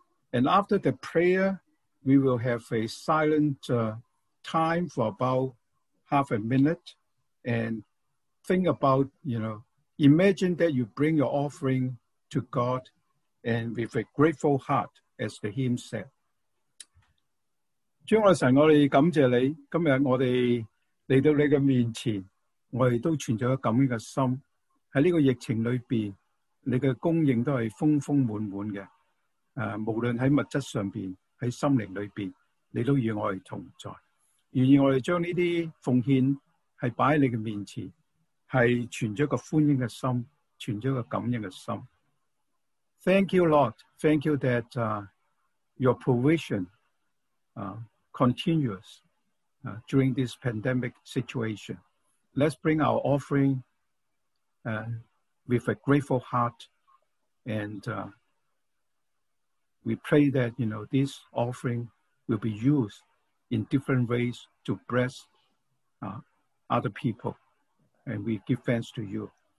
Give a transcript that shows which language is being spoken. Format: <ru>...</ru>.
<en>And after the prayer, we will have a silent time for about half a minute. And think about, you know, imagine that you bring your offering to God and with a grateful heart, as the hymn said.</en> <zh>主我神，我们感谢你。今天我们来到你的面前，我们都存着感恩的心。在这个疫情里面，你的供应都是丰丰满满的，无论在物质上面，在心灵里面，你都与我们同在。愿意我们将这些奉献是摆在你的面前，是存着一个欢欣的心，存着一个感恩的心。</zh> <en>Thank you, Lord. Thank you that your provision continues during this pandemic situation. Let's bring our offering with a grateful heart, and we pray that, you know, this offering will be used in different ways to bless other people, and we give thanks to you.</en>